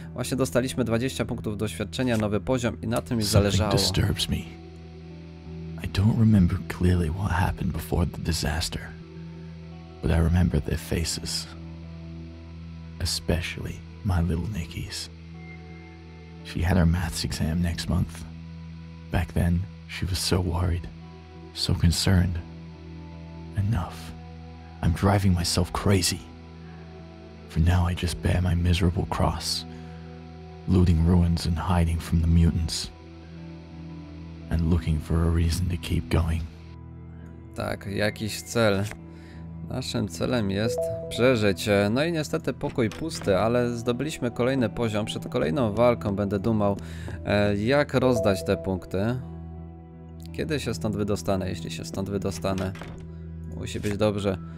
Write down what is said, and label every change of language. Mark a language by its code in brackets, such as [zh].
[pl] Właśnie dostaliśmy 20 punktów doświadczenia, nowy poziom i na tym mi zależało. Coś mnie zależy. Nie pamiętam dokładnie, co się stało przed katastrofą. Ale pamiętam ich twarze. Szczególnie moje małe Nikki's. [en] She had her maths exam next month. Back then, she was so worried, so concerned. Enough. I'm driving myself crazy. For now, I just bear my miserable cross, looting ruins and hiding from the mutants, and looking for a reason to keep going. [pl] Tak, jakiś cel. Naszym celem jest przeżyć. No i niestety pokój pusty, ale zdobyliśmy kolejny poziom. Przed kolejną walką będę dumał, jak rozdać te punkty. Kiedy się stąd wydostanę, jeśli się stąd wydostanę? Musi być dobrze.